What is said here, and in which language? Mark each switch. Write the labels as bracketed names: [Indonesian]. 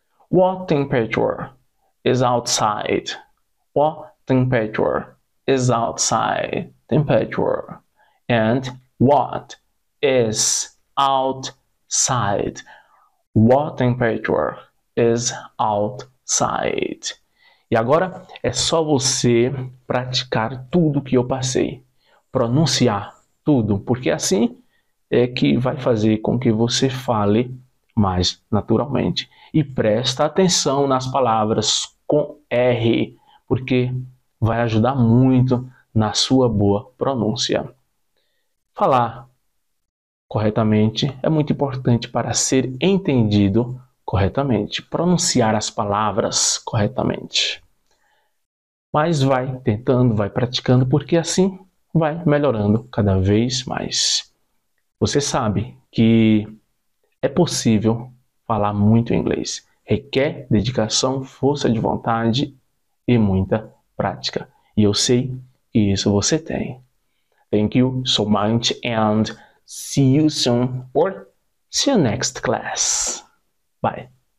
[English] What temperature is outside? What temperature is outside? Temperature. And what is outside? What temperature is outside? [Portuguese] E agora é só você praticar tudo que eu passei. Pronunciar tudo, porque assim é que vai fazer com que você fale mais naturalmente. E presta atenção nas palavras com R, porque vai ajudar muito na sua boa pronúncia. Falar corretamente é muito importante para ser entendido corretamente. Pronunciar as palavras corretamente. Mas vai tentando, vai praticando, porque assim vai melhorando cada vez mais. Você sabe que é possível falar muito inglês. Requer dedicação, força de vontade e muita prática. E eu sei que isso você tem. [English] Thank you so much and see you soon or see you next class. Bye.